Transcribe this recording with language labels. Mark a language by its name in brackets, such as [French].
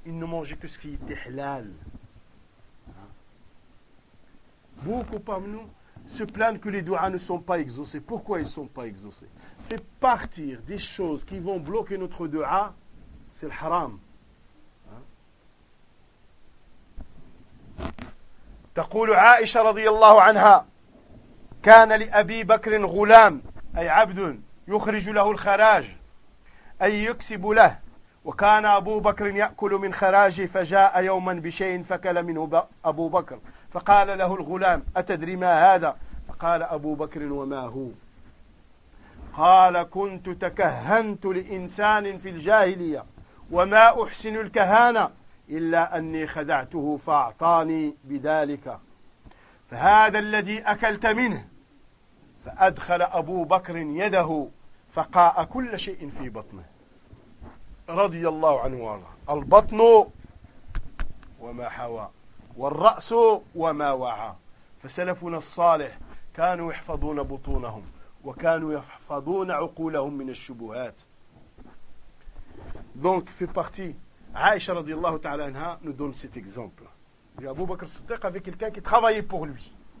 [French] Il ne mangeait que ce qui était halal. Beaucoup parmi nous se plaignent que les doigts ne sont pas exaucés. Pourquoi ils ne sont pas exaucés? Fait partir des choses qui vont bloquer notre doua, c'est le haram. [Arabic] تقول عائشة رضي الله عنها كان لأبي بكر غلام أي عبد يخرج له الخراج أي يكسب له وكان أبو بكر يأكل من خراجه فجاء يوما بشيء فكل منه أبو بكر فقال له الغلام أتدري ما هذا؟ فقال أبو بكر وما هو؟ قال كنت تكهنت لإنسان في الجاهلية وما أحسن الكهانة إلا أني خدعته فأعطاني بذلك فهذا الذي أكلت منه فأدخل أبو بكر يده فقاء كل شيء في بطنه رضي الله عنه وارضاه البطن وما حوى والرأس وما وعى فسلفنا الصالح كانوا يحفظون بطونهم وكانوا يحفظون عقولهم من الشبهات. [French] Donc fait partie Aïcha radiallahu ta'ala anha nous donne cet exemple. Et Abu Bakr Siddiq avait quelqu'un qui travaillait pour lui.